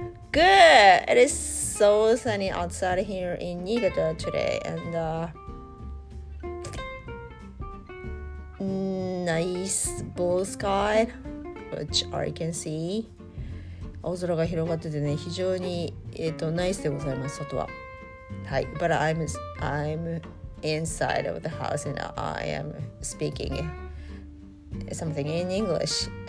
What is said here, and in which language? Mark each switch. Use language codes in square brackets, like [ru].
[en] Good. It is so sunny outside here in Niigata today, and nice blue sky, which I can see. [ja] 青空が広がっててね、非常にナイスでございます。外は。はい。 [en] But I'm inside of the house and I am speaking something in English.